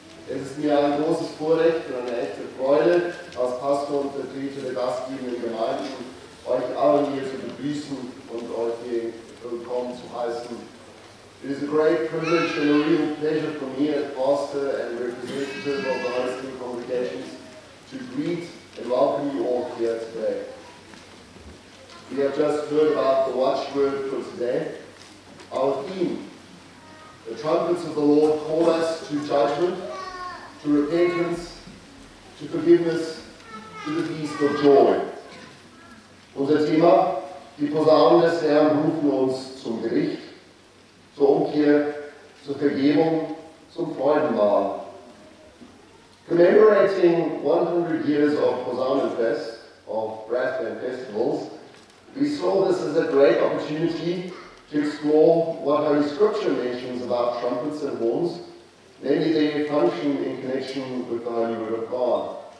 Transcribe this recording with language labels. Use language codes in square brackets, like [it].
[de] Es ist mir ein großes Vorrecht und eine echte Freude, als Pastor und Vertreter der gastgebenden Gemeinden, euch allen hier zu begrüßen und euch hier willkommen zu heißen. [en] It is a great privilege and a real pleasure for me as pastor and representative of the Augustine congregations to greet and welcome you all here today. We have just heard about the watchword for today, our theme. The trumpets of the Lord call us to judgment, to repentance, to forgiveness, to the feast of joy. [de] Unser Thema, die Posaunen des Herrn rufen uns zum Gericht, zur Umkehr, zur Vergebung, zum Freudenmahl. [en] Commemorating 100 years of Posaunenfest, of brass band festivals, we saw this as a great opportunity to explore what Holy Scripture mentions about trumpets and horns, namely their function in connection with the Holy Word of God.